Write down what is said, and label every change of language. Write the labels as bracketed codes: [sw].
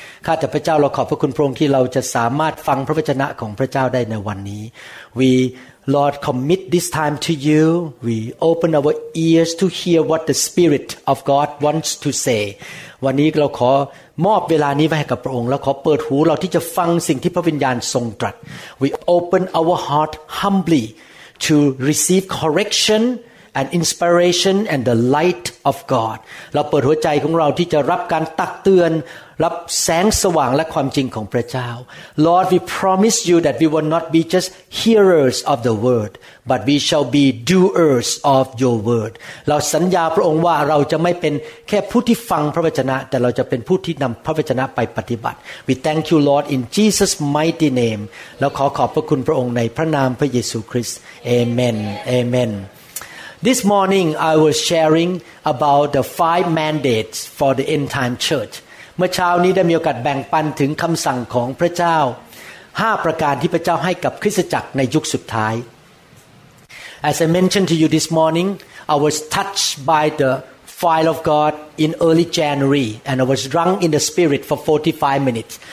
[th] ข้าแต่พระเจ้าเราขอบพระคุณพระองค์ที่เราจะสามารถฟังพระวจนะของพระเจ้าได้ในวันนี้ [en] We, Lord, commit this time to you. We open our ears to hear what the Spirit of God wants to say. [th] วันนี้เราขอมอบเวลานี้ไว้ให้กับพระองค์แล้วขอเปิดหูเราที่จะฟังสิ่งที่พระวิญญาณทรงตรัส [en] We open our heart humblyTo receive correction and inspiration and the light of God. [th] เราเปิดหัวใจของเราที่จะรับการตักเตือนรับแสงสว่างและความจริงของพระเจ้า [en] Lord, we promise you that we will not be just hearers of the word, but we shall be doers of your word. [th] เราสัญญาพระองค์ว่าเราจะไม่เป็นแค่ผู้ที่ฟังพระวจนะแต่เราจะเป็นผู้ที่นำพระวจนะไปปฏิบัติ [en] We thank you, Lord, in Jesus' mighty name. [th] เราขอขอบพระคุณพระองค์ในพระนามพระเยซูคริสต์ Amen. [en] Amen. This morning I was sharing about the five mandates for the end time church. [th] เมื่อเช้านี้ได้มีโอกาสแบ่งปันถึงคำสั่งของพระเจ้า5ประการที่พระเจ้าให้กับคริสตจักรในยุคสุดท้าย [en] As I mentioned to you this morning, I was touched by the fire of God in early January and I was drunk in the spirit for 45 minutes.